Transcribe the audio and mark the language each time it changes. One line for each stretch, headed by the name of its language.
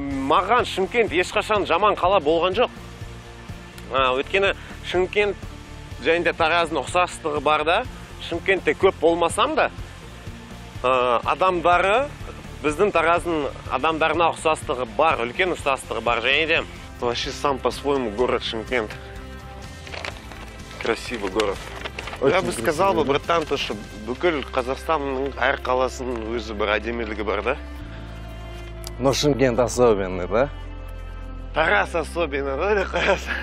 Kazakh: Маған Шымкент ешқашан жаман қала болған жоқ. Өйткені Шымкент және де Тараздың ұқсастығы бар да, Шымкентте көп болмасам да, адамдары біздің Тараздың адамдарына ұқсастығы бар, үлкен ұқсастығы бар және де.
Russian: Вообще сам по-своему город Шымкент. Красивый город. Очень я бы сказал бы, братан, то, что
Kazakh: бүкіл Қазақстанның әр қаласының өзі бір әдемілігі бар, да?
Russian: Но Шымкент особенный, да? Тараз особенный, да, или Тараз?